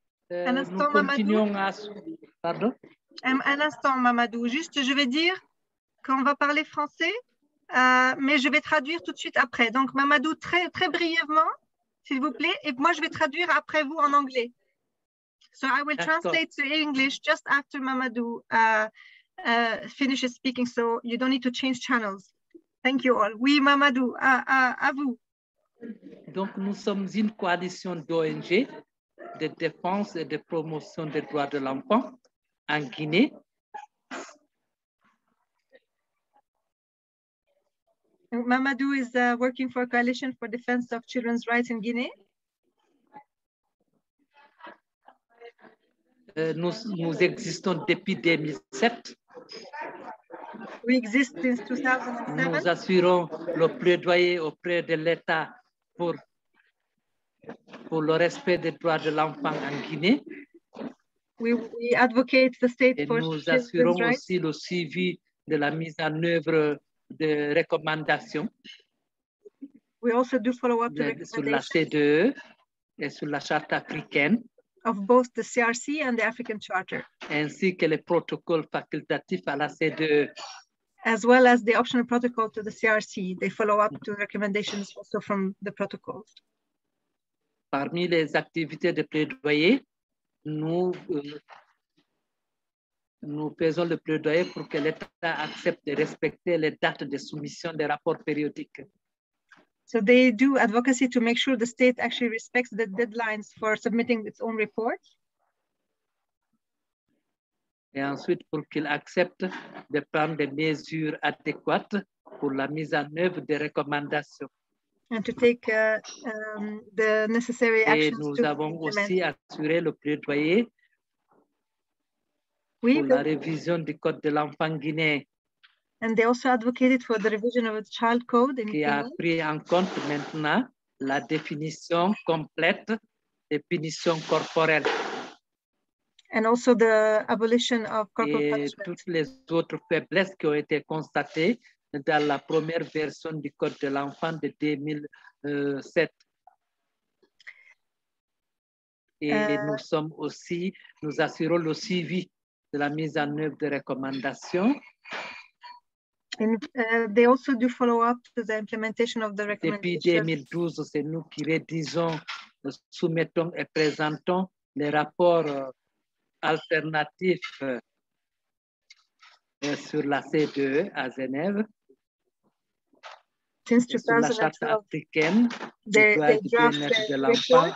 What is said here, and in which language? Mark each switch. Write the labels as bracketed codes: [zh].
[fr] Un instant, Mamadou. Pardon? Un instant, Mamadou. Juste, je vais dire qu'on va parler français, mais je vais traduire tout de suite après. Donc, Mamadou, très très brièvement, s'il vous plaît, et moi je vais traduire après vous en anglais. [en] So I will translate to English just after Mamadou finishes speaking, so you don't need to change channels. Thank you all. [fr] Oui, Mamadou, à vous. Donc, nous sommes une coalition d'ONG de défense et de promotion des droits de l'enfant en Guinée. [en] Mamadou is working for a coalition for defense of children's rights in Guinea. [fr] Nous existons depuis 2007. [en] We exist since 2007. [fr] Nous assurons le plaidoyer auprès de l'État pour le respect des droits de l'enfant en Guinée. [en] We advocate the state [fr] et [en] for [fr] nous assurons aussi rights. Le suivi de la mise en œuvre de recommandations. [en] We also do follow up the [fr] sur la CDE et sur la charte africaine. [en] Of both the CRC and the African Charter. [fr] Ainsi que les protocoles facultatifs à la CDE. [en] As well as the optional protocol to the CRC. They follow up to recommendations also from the protocols. [fr] Parmi les activités de plaidoyer, nous faisons le plaidoyer pour que l'État accepte de respecter les dates de soumission des rapports périodiques. [en] So they do advocacy to make sure the state actually respects the deadlines for submitting its own report. [fr] Et ensuite, pour qu'il accepte de prendre des mesures adéquates pour la mise en œuvre des recommandations. [en] And to take the necessary actions. [fr] Et nous avons aussi assuré le plaidoyer pour la révision du code de l'enfant guinéen. [en] And they also advocated for the revision of the child code in Guinea. [fr] Qui a pris en compte maintenant la définition complète des punitions corporelles. [en] And also the abolition of corporal punishment. [fr] Et toutes les autres faiblesses qui ont été constatées dans la première version du code de l'enfant de 2007. Et nous assurons le suivi de la mise en œuvre des recommandations. [en] And they also do follow up to the implementation of the recommendations. [fr] Depuis 2012, c'est nous qui rédigeons, soumettons et présentons les rapports alternatifs sur la CDE à Genève. [en] Since 2012, [fr] sur la charte africaine, [en] they draft the